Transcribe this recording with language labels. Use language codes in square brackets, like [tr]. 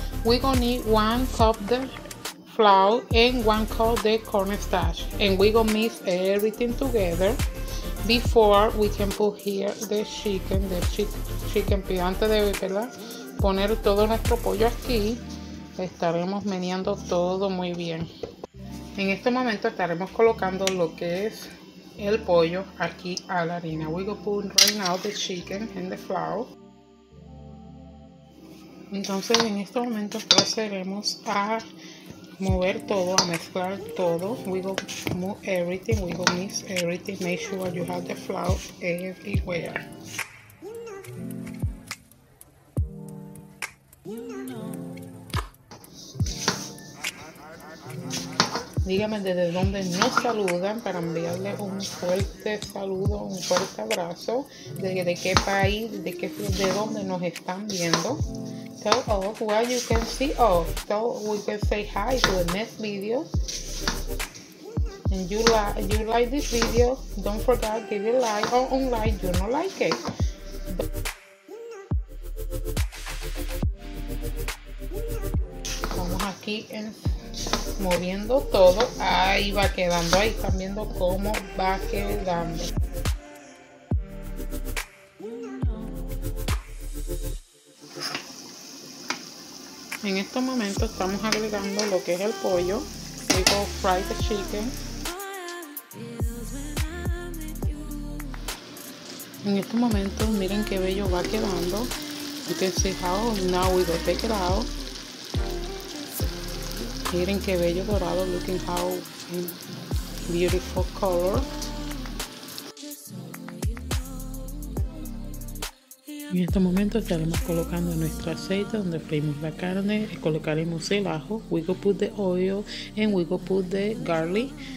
[en] We gonna need 1 cup de flour and 1 cup de cornstarch, and we gonna mix everything together before we can put here the chicken. [es] Antes de poner todo nuestro pollo aquí, estaremos meneando todo muy bien. En este momento estaremos colocando lo que es el pollo aquí a la harina. [en] We gonna put right now the chicken and the flour. [es] Entonces en este momento procederemos a mover todo, a mezclar todo. [en] We go move everything, we go mix everything. Make sure you have the flour everywhere. [es] Dígame desde dónde nos saludan para enviarle un fuerte saludo, un fuerte abrazo. De qué país, de dónde nos están viendo. [en] Tell us where you can see us. So we can say hi to the next video. And you like this video, don't forget give it a like or unlike, you don't like it. [es] Vamos aquí en moviendo todo. Ahí va quedando, ahí están viendo cómo va quedando. En este momento estamos agregando lo que es el pollo. [en] We go fry the chicken. [es] En este momento miren qué bello va quedando. [en] You can see how now we go take it out. [es] Miren qué bello dorado, [en] looking how beautiful color. [es] En este momento estaremos colocando nuestro aceite donde freímos la carne, colocaremos el ajo, [en] we go put the oil and we go put the garlic.